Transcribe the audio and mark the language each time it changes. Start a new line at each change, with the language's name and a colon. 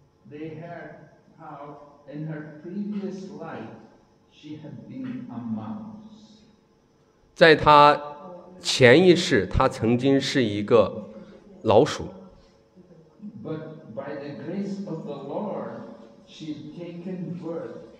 English: They heard how in her previous life she had been a mouse.
Chinese: 在他前一世，他曾经是一个老鼠。
English: But by the grace of the Lord, she had taken birth.